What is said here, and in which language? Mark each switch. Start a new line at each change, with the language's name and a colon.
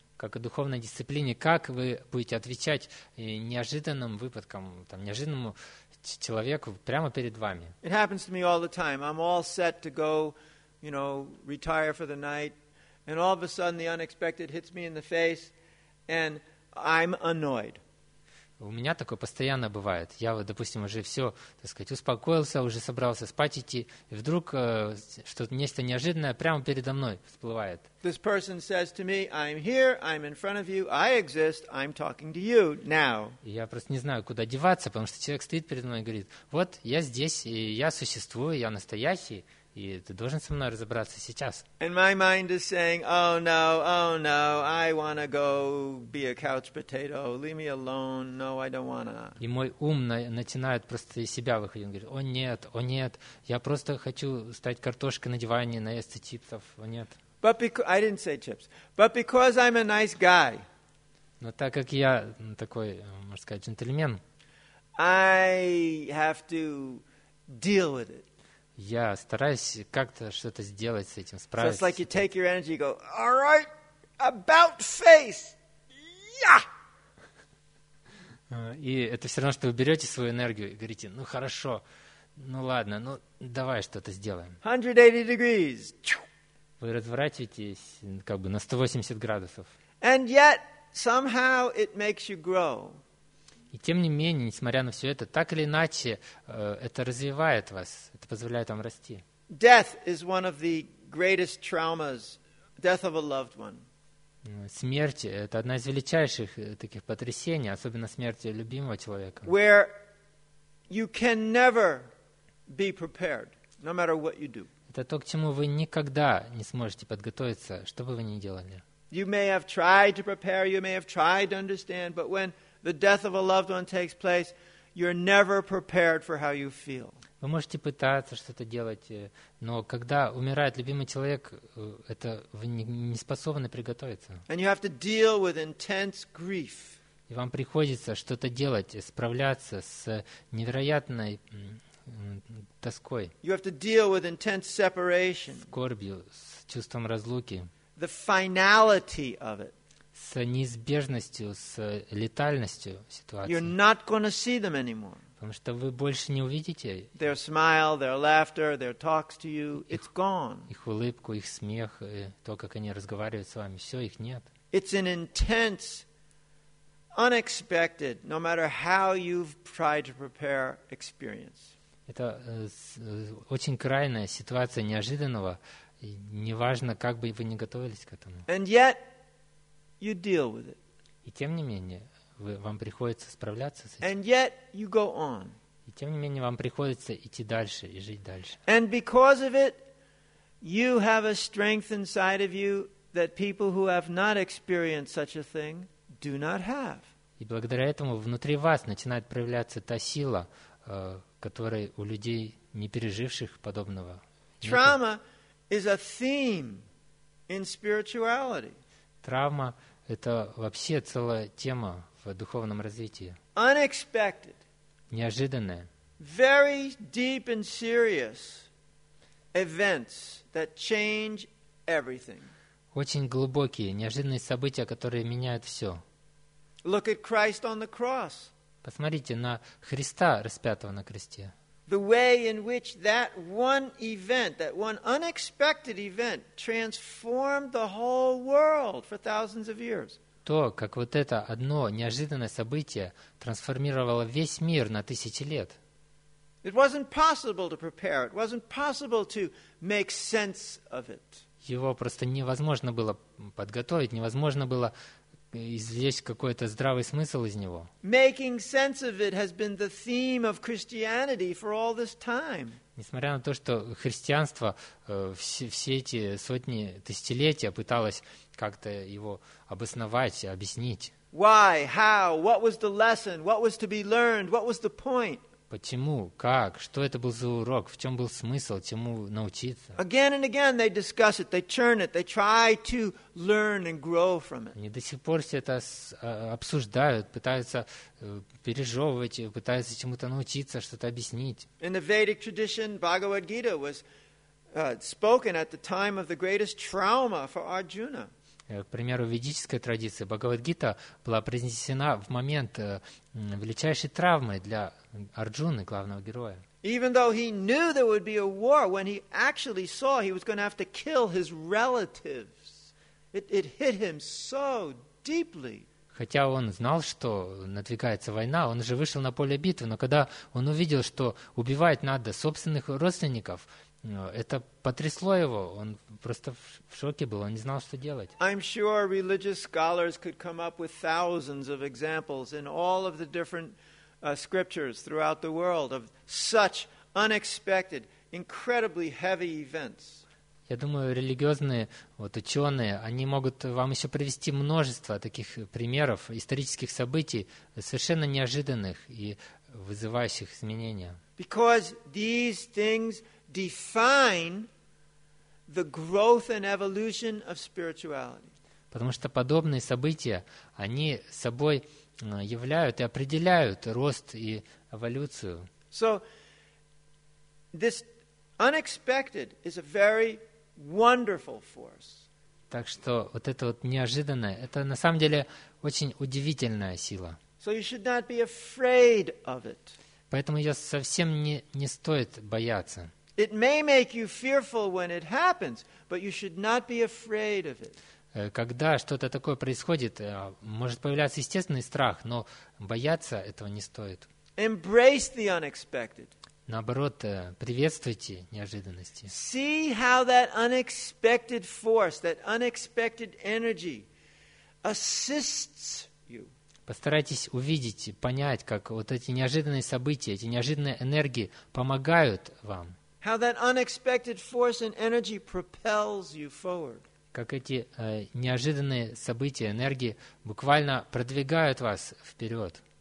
Russian: Как о духовной дисциплине, как вы будете отвечать неожиданным выпадкам, там, неожиданному человеку прямо перед вами?
English: It happens to me all the time. I'm all set to go, you know, retire for the night, and all of a sudden the unexpected hits me in the face, and I'm annoyed.
Russian: У меня такое постоянно бывает. Я вот, допустим, уже все, так сказать, успокоился, уже собрался спать идти, и вдруг что-то нечто неожиданное прямо передо мной всплывает.
English: This person says to me, I'm here, I'm in front of you, I exist, I'm talking to you now.
Russian: И я просто не знаю, куда деваться, потому что человек стоит передо мной и говорит, вот, я здесь, и я существую, я настоящий, и ты должен со мной разобраться сейчас.
English: And my mind is saying, oh no, I want to go be a couch potato, leave me alone, no, I don't want to.
Russian: И мой ум начинает просто из себя выходить, он говорит, о нет, я просто хочу стать картошкой на диване, наесться чипсов, о нет.
English: But because, I didn't say chips, but because I'm a nice guy,
Russian: но так как я такой, можно сказать, джентльмен,
English: I have to deal with it.
Russian: Я стараюсь как-то что-то сделать с этим, справиться.
English: So it's like you take your energy and go, all right, about face, yeah!
Russian: И это все равно, что вы берете свою энергию и говорите, ну хорошо, ну ладно, ну давай что-то сделаем.
English: 180 degrees.
Russian: Вы разворачиваетесь как бы на 180 градусов.
English: And yet, somehow it makes you grow.
Russian: И тем не менее, несмотря на все это, так или иначе, это развивает вас, это позволяет вам расти.
English: Death is one of the greatest traumas, death of a loved one.
Russian: Смерть – это одна из величайших таких потрясений, особенно смерть любимого человека.
English: Where you can never be prepared, no matter what you do.
Russian: Это то, к чему вы никогда не сможете подготовиться, что бы вы ни делали.
English: You may have tried to prepare, you may have tried to understand, but when the death of a loved one takes place, you're never prepared for how you feel.
Russian: Вы можете пытаться что-то делать, но когда умирает любимый человек, это вы не способны приготовиться.
English: And you have to deal with intense grief.
Russian: И вам приходится что-то делать, справляться с невероятной тоской.
English: You have to deal with intense separation.
Russian: Скорбью, с чувством разлуки.
English: The finality of it.
Russian: С неизбежностью, с летальностью ситуации.
English: You're not going to see them anymore.
Russian: Потому что вы больше не увидите.
English: Their smile, their laughter, their talks to you, it's gone.
Russian: Их улыбку, их смех, то, как они разговаривают с вами, все, их нет.
English: It's an intense, unexpected, no matter how you've tried to prepare, experience.
Russian: Это очень крайняя ситуация неожиданного, неважно, как бы вы ни готовились к этому.
English: And yet, you deal with it.
Russian: И тем не менее, вам приходится справляться с этим.
English: And yet you go on.
Russian: И тем не менее, вам приходится идти дальше и жить дальше.
English: And because of it, you have a strength inside of you that people who have not experienced such a thing do not have.
Russian: И благодаря этому внутри вас начинает проявляться та сила, которой у людей, не переживших подобного.
English: Trauma is a theme in spirituality.
Russian: Травма – это вообще целая тема в духовном развитии.
English: Unexpected.
Russian: Неожиданная.
English: Very deep and serious events that change everything.
Russian: Очень глубокие, неожиданные события, которые меняют все.
English: Look at Christ on the cross.
Russian: Посмотрите на Христа, распятого на кресте.
English: The way in which that one event, that one unexpected event, transformed the whole world for thousands of years.
Russian: То, как вот это одно неожиданное событие трансформировало весь мир на тысячи лет.
English: It wasn't possible to prepare. It wasn't possible to make sense of it.
Russian: Его просто невозможно было подготовить, невозможно было извлечь какой-то здравый смысл из него.
English: Making sense of it has been the theme of Christianity for all this time.
Russian: Несмотря на то, что христианство все эти сотни тысячелетия пыталось как-то его обосновать, объяснить.
English: Why? How? What was the lesson? What was to be learned? What was the point?
Russian: Почему? Как? Что это был за урок? В чем был смысл? Чему научиться?
English: Again and again they discuss it, they churn it, they try to learn and grow from it.
Russian: Они до сих пор все это обсуждают, пытаются пережевывать, пытаются чему-то научиться, что-то объяснить.
English: In the Vedic tradition, Bhagavad Gita was spoken at the time of the greatest trauma for Arjuna.
Russian: К примеру, в ведической традиции Бхагавад-гита была произнесена в момент величайшей травмы для Арджуны, главного героя.
English: Even though he knew there would be a war, when he actually saw he was going to have to kill his relatives, it hit him so deeply.
Russian: Хотя он знал, что надвигается война, он же вышел на поле битвы, но когда он увидел, что убивать надо собственных родственников, это потрясло его, он просто в шоке был, он не знал, что делать.
English: I'm sure religious scholars could come up with thousands of examples in all of the different scriptures throughout the world of such unexpected, incredibly heavy events.
Russian: Я думаю, религиозные вот, ученые, они могут вам еще привести множество таких примеров исторических событий, совершенно неожиданных и вызывающих изменения.
English: Because these things define the growth and evolution of spirituality.
Russian: Потому что подобные события, они собой являют и определяют рост и эволюцию.
English: So, this unexpected is a very wonderful force.
Russian: Так что вот это вот неожиданное, это на самом деле очень удивительная сила.
English: So you should not be afraid of it.
Russian: Поэтому ее совсем не стоит бояться.
English: It may make you fearful when it happens, but you should not be afraid of it.
Russian: Когда что-то такое происходит, может появляться естественный страх, но бояться этого не стоит.
English: Embrace the unexpected.
Russian: Наоборот, приветствуйте неожиданности.
English: See how that unexpected force, that unexpected energy assists you.
Russian: Постарайтесь увидеть, понять, как вот эти неожиданные события, эти неожиданные энергии помогают вам.
English: How that unexpected force and energy propels you forward.
Russian: Как эти неожиданные события, энергии буквально продвигают вас вперед.